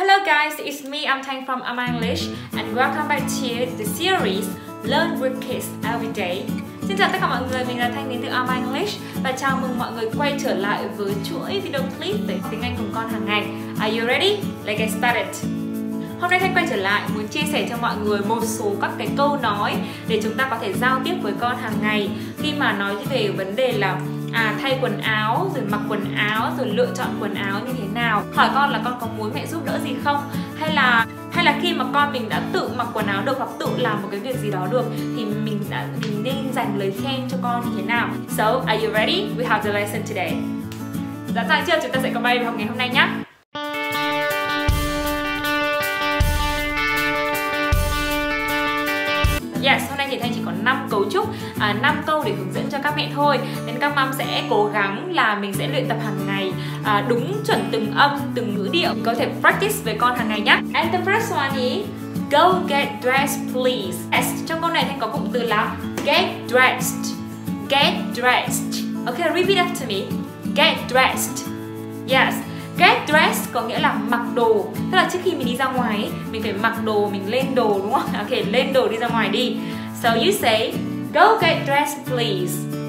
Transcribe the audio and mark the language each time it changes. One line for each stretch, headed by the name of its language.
English: guys, it's me, I'm Thanh from Ama English and welcome back to the series Learn with Kids Every Day.
Vietnamese: Xin chào tất cả mọi người, mình là Thanh đến từ Ama English và chào mừng mọi người quay trở lại với chuỗi video clip về tiếng Anh cùng con hàng ngày.
English: Are you ready? Let's get started.
Vietnamese: Hôm nay Thanh quay trở lại muốn chia sẻ cho mọi người một số các cái câu nói để chúng ta có thể giao tiếp với con hàng ngày khi mà nói về vấn đề là thay quần áo, rồi mặc quần áo, rồi lựa chọn quần áo như thế nào. Hỏi con là con có muốn mẹ giúp đỡ gì không? Hay là khi mà con mình đã tự mặc quần áo được hoặc tự làm một cái việc gì đó được thì mình nên dành lời khen cho con như thế nào?
English: So, are you ready? We have the lesson today.
Vietnamese: Đã sẵn sàng chưa? Chúng ta sẽ có bài học ngày hôm nay nhé. Yes, hôm nay thì Thanh chỉ có 5 cấu trúc, 5 câu để hướng dẫn cho các mẹ thôi. Nên các mom sẽ cố gắng là mình sẽ luyện tập hàng ngày đúng chuẩn từng âm, từng ngữ điệu. Mình có thể practice với con hàng ngày nhé.
English: And the first one is go get dressed please.
Vietnamese: Yes, trong câu này Thanh có cụm từ là get dressed.
English: Get dressed. Okay, repeat after me. Get dressed. Yes.
Vietnamese: Get dressed có nghĩa là mặc đồ. Tức là trước khi mình đi ra ngoài, mình phải mặc đồ, mình lên đồ đúng không?
English: Ok,
Vietnamese: lên đồ đi ra ngoài đi.
English: So you say, go get dressed please.